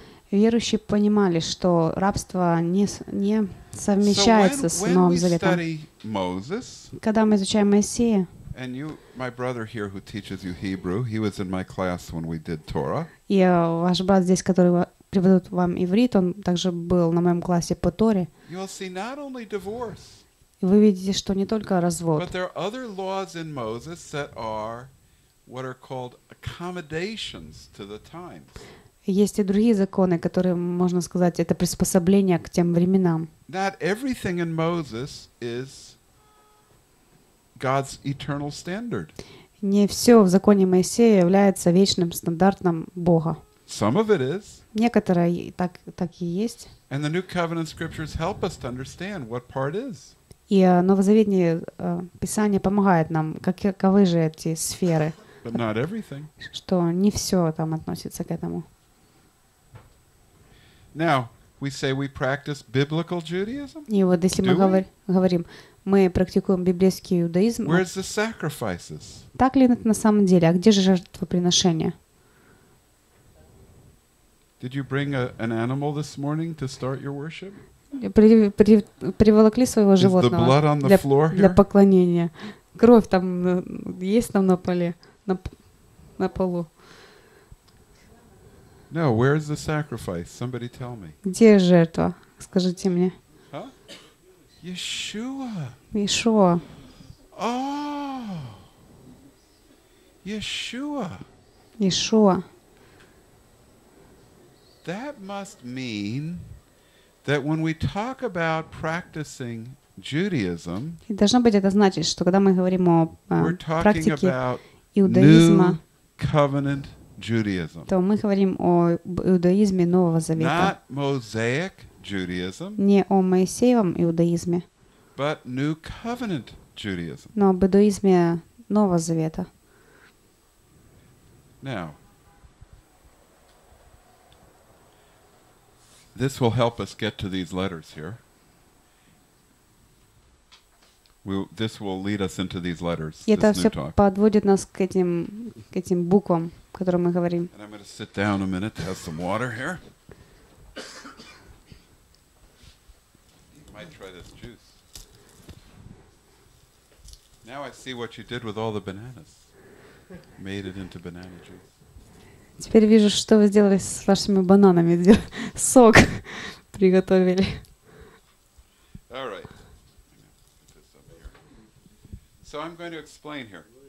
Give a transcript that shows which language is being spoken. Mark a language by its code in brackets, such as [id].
[ru] Верующие понимали, что рабство не совмещается с Новым Заветом. Когда мы изучаем Моисея, [en] and you, my brother here who teaches you Hebrew, he was in my class when we did Torah. [ru] И ваш брат здесь, который преподает вам иврит, он также был на моем классе по Торе. [en] Divorce, [ru] вы видите, что не только развод. [en] But there are other laws in Moses that are what are called accommodations to the times. [ru] Есть и другие законы, которые, можно сказать, это приспособление к тем временам. [en] Not everything in Moses is God's eternal standard. [ru] Не все в законе Моисея является вечным стандартом Бога. [en] Some of it is. [ru] Некоторые так и есть. [en] And the New Covenant Scriptures help us to understand what part is. [ru] И Новозаветное Писание помогает нам, каковы же эти сферы. [en] But not everything. [ru] Что не все там относится к этому. [en] Now, we say we practice biblical Judaism? [ru] И вот если мы говорим, мы практикуем библейский иудаизм. [en] Where's the sacrifices? [ru] Так ли это на самом деле? А где же жертвоприношения? [en] Did you bring an animal this morning to start your worship? [ru] Приволокли своего животного. [en] Is the blood on the floor here? [ru] Для поклонения. Кровь там есть там на поле, на полу. [en] No, where is the sacrifice? Somebody tell me. [ru] Где жертва? Скажите мне. [en] Huh? Yeshua. Yeshua. Oh. Yeshua. Yeshua. That must mean that when we talk about practicing Judaism, [ru] и должно быть это значит, что когда мы говорим о практике иудаизма, [en] New Covenant Judaism, [ru] то мы говорим о иудаизме Нового Завета, [en] not Mosaic Judaism, [ru] не о Моисеевом иудаизме, [en] but New Covenant Judaism, [ru] но об иудаизме Нового Завета. [en] Now, this will help us get to these letters here. This will lead us into these letters. [ru] Это все подводит нас к этим буквам, о которых мы говорим. [en] And I'm going to sit down a minute to have some water here. Might try this juice. Now I see what you did with all the bananas. Made it into banana juice. [ru] Теперь вижу, что вы сделали с вашими бананами. Сок приготовили. [en] All right. So I'm going to explain here.